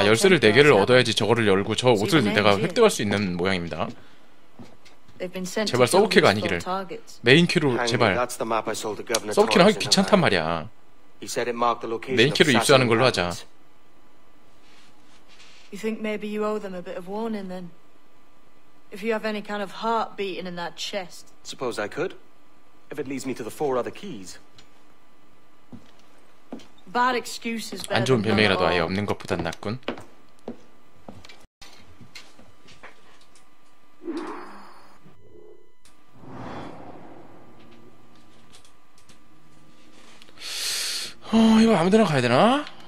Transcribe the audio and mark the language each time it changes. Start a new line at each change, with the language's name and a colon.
Korean: 아, 열쇠를 네 개를 얻어야지 저거를 열고 저 옷을 내가 획득할 수 있는 모양입니다. 제발 서브퀘가 아니기를. 메인 퀘로 제발. 서브퀘는 하기 귀찮단 말이야. 메인 키로 입수하는 걸로 하자.
English: You think maybe you owe them a bit of warning then? If you have any kind of heart beating in that chest. Suppose I could. If it leads me to the four other keys. Bad excuses.
Korean: 안 좋은 변명이라도 아예 없는 것보단 낫군. 어, 이거 아무데나 가야 되나?